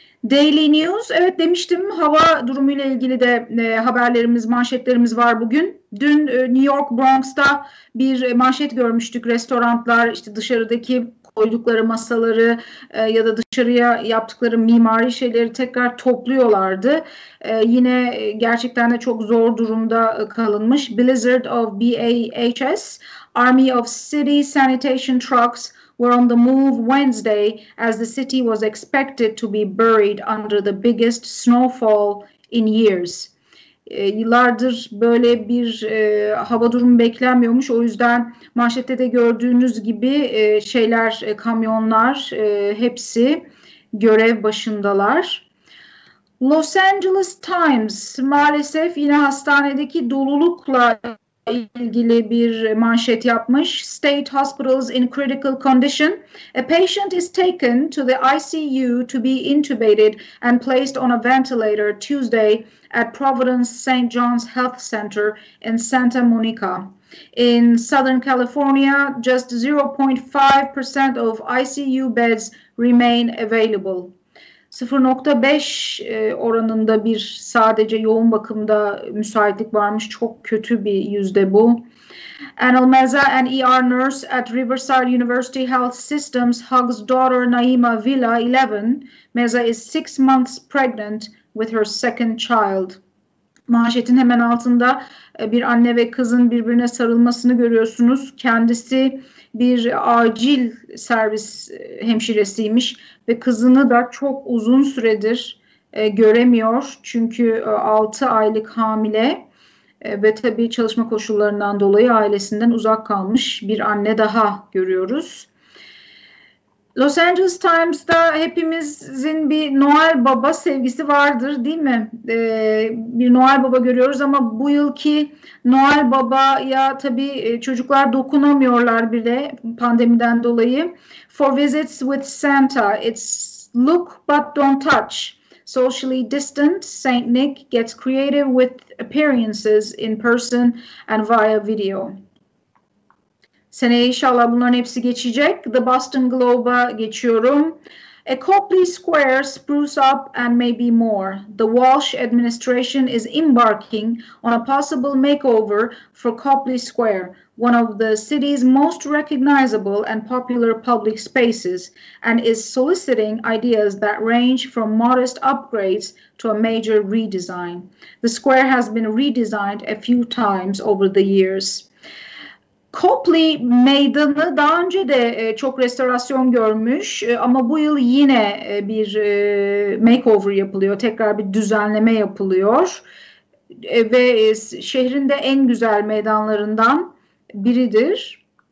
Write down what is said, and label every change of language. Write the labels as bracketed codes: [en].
[tr] Daily News, evet demiştim, hava durumuyla ilgili de haberlerimiz, manşetlerimiz var bugün. Dün New York Bronx'ta bir manşet görmüştük. Restoranlar işte dışarıdaki koydukları masaları ya da dışarıya yaptıkları mimari şeyleri tekrar topluyorlardı. Yine gerçekten de çok zor durumda kalınmış. [en] Blizzard of BAHS, Army of City Sanitation Trucks were on the move Wednesday as the city was expected to be buried under the biggest snowfall in years. [tr] Yıllardır böyle bir hava durumu beklenmiyormuş. O yüzden manşette de gördüğünüz gibi kamyonlar hepsi görev başındalar. Los Angeles Times maalesef yine hastanedeki dolulukla ilgili bir manşet yapmış. [en] State hospitals in critical condition. A patient is taken to the ICU to be intubated and placed on a ventilator Tuesday at Providence St. John's Health Center in Santa Monica. In Southern California, just 0.5% of ICU beds remain available. [tr] 0.5 oranında bir sadece yoğun bakımda müsaitlik varmış. Çok kötü bir yüzde bu. [en] Anil Meza, an ER nurse at Riverside University Health Systems, hugs daughter Naima Villa, 11. Meza is 6 months pregnant with her second child. [tr] Manşetin hemen altında bir anne ve kızın birbirine sarılmasını görüyorsunuz. Kendisi bir acil servis hemşiresiymiş ve kızını da çok uzun süredir göremiyor. Çünkü 6 aylık hamile ve tabii çalışma koşullarından dolayı ailesinden uzak kalmış bir anne daha görüyoruz. Los Angeles Times'da hepimizin bir Noel Baba sevgisi vardır değil mi? Bir Noel Baba görüyoruz ama bu yılki Noel Baba'ya tabii çocuklar dokunamıyorlar bile pandemiden dolayı. [en] For visits with Santa, it's look but don't touch. Socially distant, Saint Nick gets creative with appearances in person and via video. [tr] Seneye inşallah bunların hepsi geçecek. The Boston Globe'a geçiyorum. [en] A Copley Square spruce up and maybe more. The Walsh administration is embarking on a possible makeover for Copley Square, one of the city's most recognizable and popular public spaces, and is soliciting ideas that range from modest upgrades to a major redesign. The square has been redesigned a few times over the years. [tr] Copley Meydanı daha önce de çok restorasyon görmüş ama bu yıl yine bir makeover yapılıyor. Tekrar bir düzenleme yapılıyor ve şehrin de en güzel meydanlarından biridir.